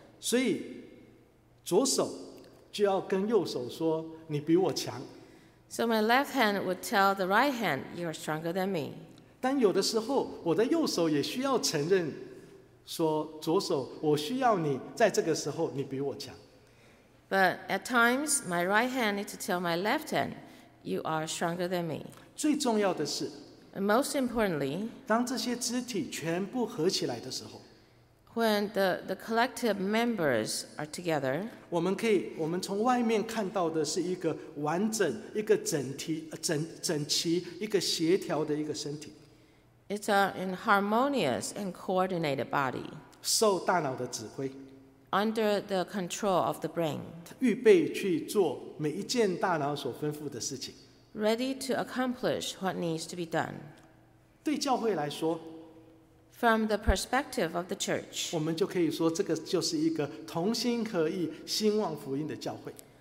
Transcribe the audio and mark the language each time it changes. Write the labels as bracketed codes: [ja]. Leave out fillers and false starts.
[zh] 所以左手就要跟右手说你比我强。 [en] So my left hand would tell the right hand, you are stronger than me. [zh] 但有的时候，我的右手也需要承认，说左手，我需要你在这个时候，你比我强。 [en] But at times, my right hand needs to tell my left hand, you are stronger than me. [zh] 最重要的是， [en] And most importantly, [zh] 当这些肢体全部合起来的时候， [en] When the collective members are together, [zh] 我们从外面看到的是一个完整、一个整体、整齐、一个协调的一个身体。 [en] It's an harmonious and coordinated body. [zh] 受大脑的指挥。 [en] Under the control of the brain. [zh] 预备去做每一件大脑所吩咐的事情。 [en] Ready to accomplish what needs to be done. [zh] 对教会来说。 [en] From the perspective of the church, [zh] 我们就可以说这个就是一个同心合意、兴旺福音的教会。